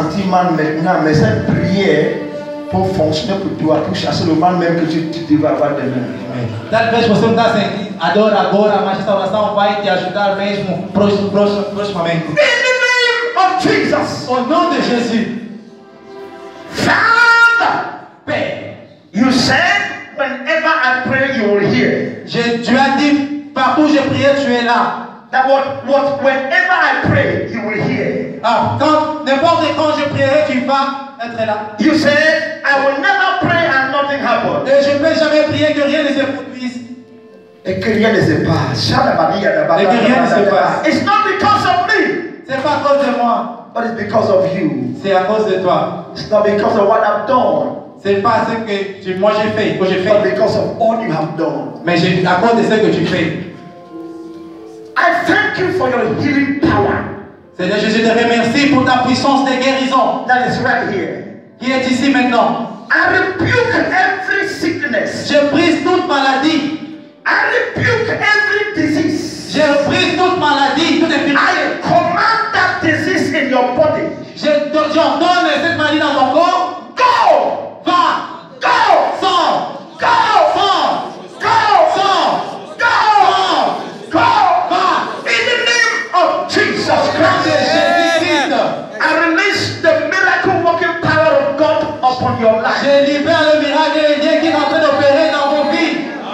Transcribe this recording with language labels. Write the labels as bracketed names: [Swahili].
[French] Maintenant, mais cette prière pour fonctionner pour toi, pour chasser le mal même que tu devais avoir demain. [Portuguese] Talvez você não está sentindo a dor agora, mas esta oração vai te ajudar mesmo próximamente. [English] In the name of Jesus. [Portuguese] O nome de Jesus. [English] Father, [Portuguese] Pai. [English] You said whenever I pray, you will hear. [French] Tu as dit partout je prie, tu es là. [English] That what whenever I pray, you will hear. [French] Ah, quand n'importe quand je prierai, tu vas être là. [English] You said, I will never pray and nothing happens. [French] Et je ne peux jamais prier que rien ne se produise. Et que rien ne se passe. Et que rien ne se passe. [English] It's not because of me. [French] C'est pas à cause de moi. [English] But it's because of you. [French] C'est à cause de toi. [English] It's not because of what I've done. [French] C'est pas ce que tu, moi j'ai fait, que j'ai fait. [English] But because of all you have done. [French] Mais j'ai, à cause de ce que tu fais. [English] I thank you for your healing power. [French] Seigneur Jésus, je te remercie pour ta puissance de guérison. [English] That is right here. [French] Qui est ici maintenant. [English] I rebuke every sickness. [French] Je brise toute maladie. [English] I rebuke every disease. [French] Je brise toute maladie, toute infirmité. [English] I command that disease in your body. [French] J'ordonne cette maladie dans ton corps. [English] Go! [French] Va! [English] Go! [French] Sors! [English] Go! [French] Sors! [English] Go! [French] Sors! [English] Go! [French] Sors! [English] Go! [French] Va! [English] In the name of Jesus Christ, [French] Jésus-Christ, [English] I release the miracle working power of God upon your life. [French] Je libère le miracle de Dieu qui est en train d'opérer dans vos vies.